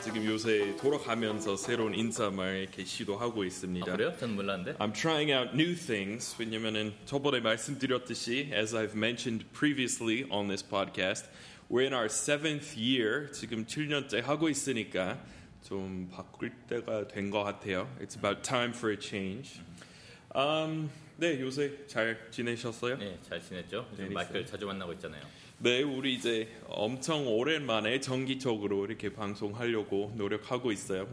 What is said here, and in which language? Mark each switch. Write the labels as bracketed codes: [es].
[ko] 지금 요새 돌아가면서 새로운 인사말 이렇게 시도하고 있습니다. 아, 그래요? 전 몰랐는데. [en] I'm trying out new things. [ko] 왜냐면은 저번에 말씀드렸듯이, [en] as I've mentioned previously on this podcast, we're in our seventh year. [ko] 지금 7년째 하고 있으니까 좀 바꿀 때가 된 것 같아요. [en] It's about time for a change. [ko] 네, 요새 잘 지내셨어요? 네, 잘 지냈죠. 요즘 마이클 자주 만나고 있잖아요. 네, 우리 이제 엄청 오랜만에 정기적으로 이렇게 방송하려고 노력하고 있어요.